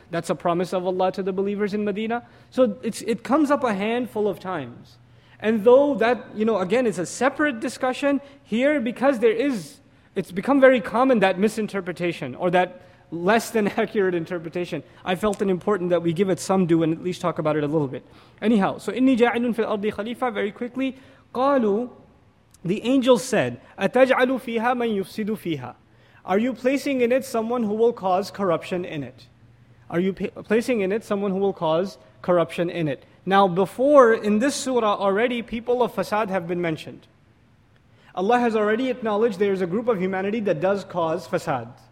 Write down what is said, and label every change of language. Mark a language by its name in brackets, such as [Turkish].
[English] That's a promise of Allah to the believers in Medina. So it comes up a handful of times. And though that, you know, again, it's a separate discussion here, because there is, it's become very common that misinterpretation or that less than accurate interpretation, I felt it important that we give it some due and at least talk about it a little bit. Anyhow, so [Arabic] إِنِّي جَاعِلٌ فِي الْأَرْضِ خَلِيفَةً. [English] Very quickly, [Arabic] قَالُوا. [English] The angel said, [Arabic] أَتَجْعَلُ فِيهَا مَنْ يُفْسِدُ فِيهَا. [English] Are you placing in it someone who will cause corruption in it? Are you placing in it someone who will cause corruption in it? Now before, in this surah already, people of fasad have been mentioned. Allah has already acknowledged there is a group of humanity that does cause fasad.